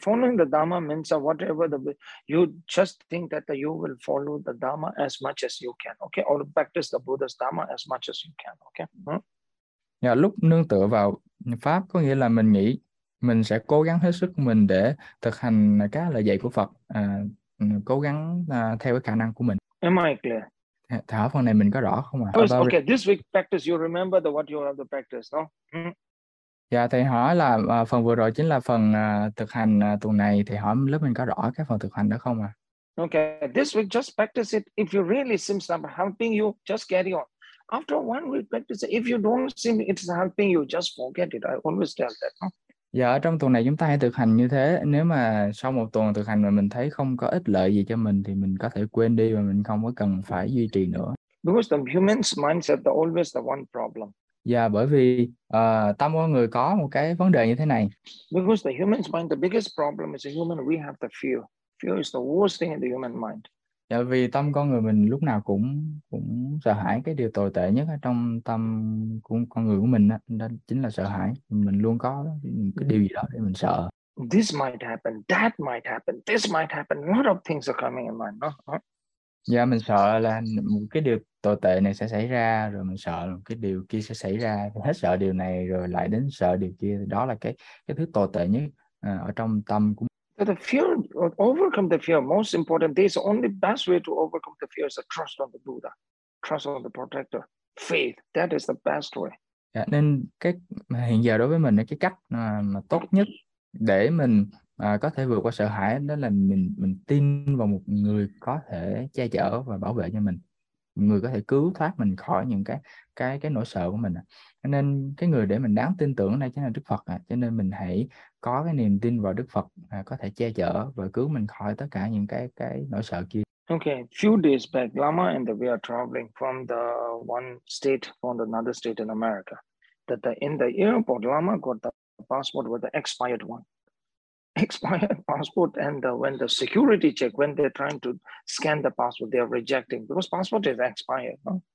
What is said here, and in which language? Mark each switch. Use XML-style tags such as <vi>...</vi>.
<en>Following the Dharma means whatever the you just think that you will follow the Dharma as much as you can, okay? Or practice the Buddha's Dharma as much as you can, okay?</en> <vi>Yeah, lúc nương tựa vào Pháp có nghĩa là mình nghĩ mình sẽ cố gắng hết sức mình để thực hành các lời dạy của Phật, cố gắng theo cái khả năng của mình.</vi> <en>Am I clear?</en> <vi>Thảo phần này mình có rõ không ạ?</vi> <en>Okay, this week practice, you remember the what you have to practice, no?</en> <vi>Dạ, thầy hỏi là phần vừa rồi chính là phần thực hành tuần này. Thầy hỏi lớp mình có rõ cái phần thực hành đó không ạ?</vi> <en>Okay, this week just practice it. If you really seems not helping you, just carry on. After one week practice, if you don't seem it's helping you, just forget it. I always tell that.</en> <vi>Dạ, ở trong tuần này chúng ta hãy thực hành như thế. Nếu mà sau một tuần thực hành mà mình thấy không có ích lợi gì cho mình thì mình có thể quên đi và mình không có cần phải duy trì nữa.</vi> <en>Because the human's mindset is always the one problem.</en> <vi>Và bởi vì tâm con người có một cái vấn đề như thế này.</vi> <en>Because the human's mind, the biggest problem is a human, we have the fear. Fear is the worst thing in the human mind.</en> <vi>Dạ, vì tâm con người mình lúc nào cũng cũng sợ hãi cái điều tồi tệ nhất ở trong tâm của con người của mình đó chính là sợ hãi. Mình luôn có cái điều gì đó để mình sợ.</vi> <en>This might happen, that might happen, this might happen. A lot of things are coming in mind.</en> <vi>Dạ, mình sợ là một cái điều tồi tệ này sẽ xảy ra, rồi mình sợ là cái điều kia sẽ xảy ra. Hết sợ điều này rồi lại đến sợ điều kia. Đó là cái thứ tồi tệ nhất ở trong tâm của mình.</vi> <en>But the fear, overcome the fear, most important, this is the only best way to overcome the fear is to trust on the Buddha, trust on the protector, faith. That is the best way.</en> <vi>Yeah, nên hiện giờ đối với mình, cái cách mà tốt nhất để mình có thể vượt qua sợ hãi đó là mình tin vào một người có thể che chở và bảo vệ cho mình. Người có thể cứu thoát mình khỏi những cái nỗi sợ của mình. Nên cái người để mình đáng tin tưởng này chính là Đức Phật. Cho nên mình hãy có cái niềm tin vào Đức Phật có thể che chở và cứu mình khỏi tất cả những cái nỗi sợ kia.</vi> <en>Okay, few days back, Lama and we are traveling from the one state from another state in America. That the, in the airport, Lama got the passport with the expired one. Expired passport, and when the security check, when they're trying to scan the passport, they are rejecting because passport is expired. No?</en>